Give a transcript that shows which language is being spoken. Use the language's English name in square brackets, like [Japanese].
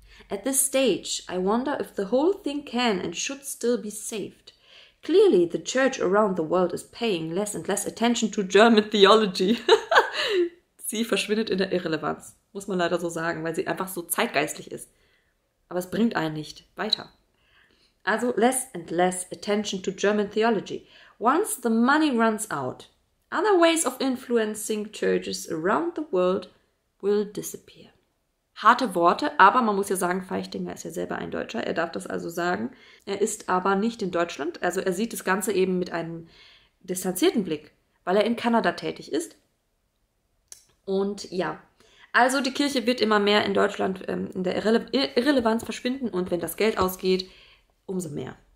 [English] At this stage, I wonder if the whole thing can and should still be saved. Clearly, the church around the world is paying less and less attention to German theology. [German] Sie verschwindet in der Irrelevanz, muss man leider so sagen, weil sie einfach so zeitgeistlich ist. Aber es bringt einen nicht weiter. [English] Also, less and less attention to German theology. Once the money runs out, other ways of influencing churches around the world will disappear. [German] Harte Worte, aber man muss ja sagen, Feichtinger ist ja selber ein Deutscher, er darf das also sagen. Er ist aber nicht in Deutschland, also er sieht das Ganze eben mit einem distanzierten Blick, weil er in Kanada tätig ist. Und ja, also die Kirche wird immer mehr in Deutschland in der Irrelevanz verschwinden und wenn das Geld ausgeht, umso mehr.